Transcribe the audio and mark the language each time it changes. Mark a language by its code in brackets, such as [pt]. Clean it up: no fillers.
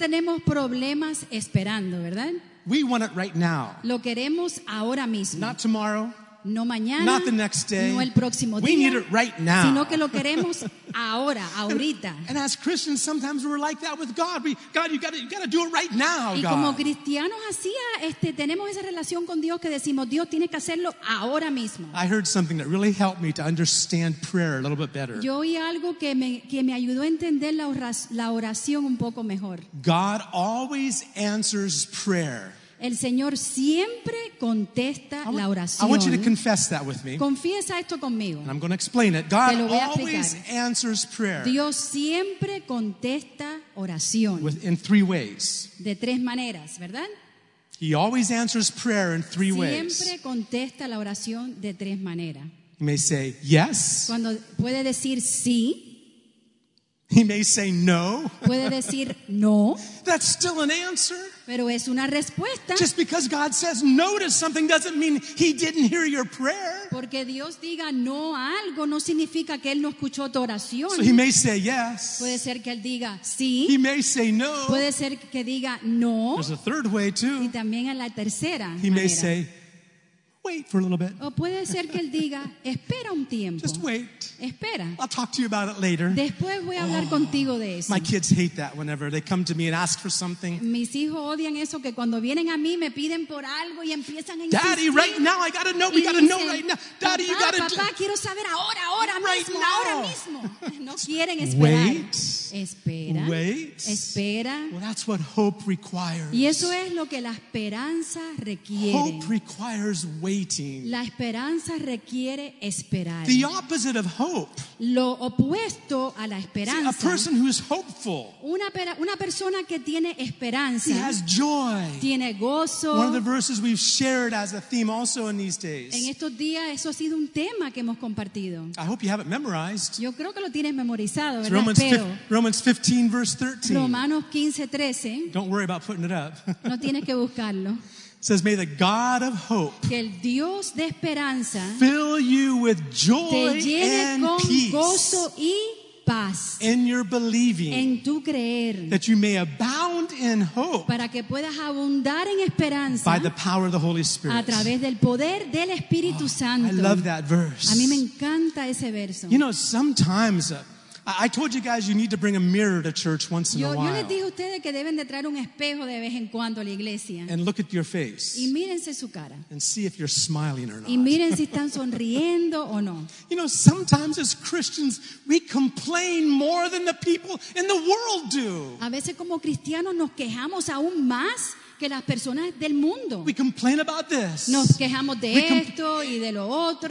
[es] Tenemos problemas esperando, ¿verdad? [en] We want it right now. [es] Lo queremos ahora mismo. [en] Not tomorrow. [es] No mañana. [en] Not the next day. [es] No el próximo día. [en] We need it right now. [es] Sino que lo queremos ahora, ahorita. [en] And as Christians, sometimes we're like that with God. God, you gotta do it right now, God. [es] Y como cristianos así, tenemos esa relación con Dios que decimos, Dios tiene que hacerlo ahora mismo. [en] I heard something that really helped me to understand prayer a little bit better. [es] Yo oí algo que me ayudó a entender la oración un poco mejor. [en] God always answers prayer. [es] El Señor siempre contesta la oración. [en] I want you to confess that with me. [es] Confiesa esto conmigo. [en] And I'm going to explain it. God always answers prayer. [es] Dios siempre contesta oración. [en] In three ways. [es] De tres maneras, ¿verdad? [en] He always answers prayer in three ways. [es] Siempre contesta la oración de tres maneras. [en] He may say yes. [es] Cuando puede decir sí. [en] He may say no. [es] Puede decir no. [en] That's still an answer. [es] Pero es una respuesta. [en] Just because God says no to something doesn't mean he didn't hear your prayer. [es] Porque Dios diga no a algo no significa que él no escuchó tu oración. [en] So he may say yes. [es] Puede ser que él diga sí. [en] He may say no. [es] Puede ser que diga no. [en] There's a third way too. [es] Y también en la tercera [en] he may say wait for a little bit. [es] O puede ser que él diga, espera un tiempo. [en] Just wait. [es] Espera. [en] I'll talk to you about it later. [es] Después voy a hablar contigo de eso. [en] My kids hate that whenever they come to me and ask for something. [es] Mis hijos odian eso que cuando vienen a mí me piden por algo y empiezan a insistir. [en] Daddy, right now, I gotta know. We gotta know right now. Daddy, you gotta. [es] Papá, quiero saber ahora, ahora [en] right [es] mismo, [en] now. [es] Ahora mismo. No quieren esperar. [en] Wait. [es] Espera. [en] Wait. [es] Espera. [en] Well, that's what hope requires. [es] Y eso es lo que la esperanza requiere. [en] Hope requires wait. [es] La esperanza requiere esperar. [en] The opposite of hope. [es] Lo opuesto a la esperanza. [en] See, a person who is hopeful. [es] Una persona que tiene esperanza. [en] He has joy. [es] Tiene gozo. [en] One of the verses we've shared as a theme also in these days. [es] En estos días eso ha sido un tema que hemos compartido. [en] I hope you have it memorized. [es] Yo creo que lo tienes memorizado, ¿verdad? [en] Romans, Romans 15 verse 13. [es] Romanos 15, 13. [en] Don't worry about putting it up. [es] No tienes que buscarlo. [en] Says, may the God of hope [es] que el Dios de esperanza [en] fill you with joy [es] te llene [en] and [es] con [en] peace [es] gozo y paz [en] in your believing [es] en tu creer [en] that you may abound in hope [es] para que puedas abundar en esperanza [en] by the power of the Holy Spirit. [es] A través del poder del Espíritu Santo. [en] I love that verse. [es] A mí me encanta ese verso. [en] You know, sometimes I told you guys you need to bring a mirror to church once in a while. [es] Yo les dije a ustedes que deben de traer un espejo de vez en cuando a la iglesia. [en] And look at your face. [es] Y mírense su cara. [en] And see if you're smiling or not. [es] Y miren si están sonriendo o no. [en] You know, sometimes as Christians, we complain more than the people in the world do. [es] A veces como cristianos nos quejamos aún más que las personas del mundo. [en] We complain about this. [es] Nos quejamos de esto y de lo otro.